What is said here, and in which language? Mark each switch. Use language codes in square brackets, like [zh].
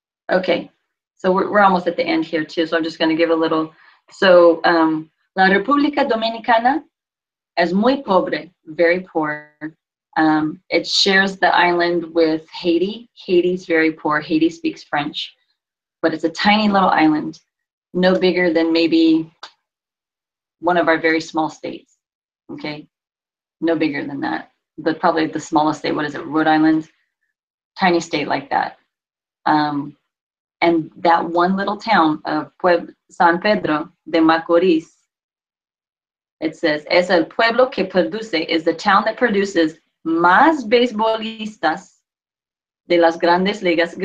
[en] Okay, so we're almost at the end here too, so I'm just going to give a little. [es] So la República Dominicana es muy pobre, [en] very poor. It shares the island with Haiti. Haiti's very poor. Haiti speaks French, but it's a tiny little island, no bigger than maybe one of our very small states. Okay, no bigger than that, but probably the smallest state. What is it, Rhode Island? Tiny state like that. And that one little town of San Pedro de Macorís, it says, [es] es el pueblo que produce, [en] is the town that produces [es] más beisbolistas de las grandes ligas.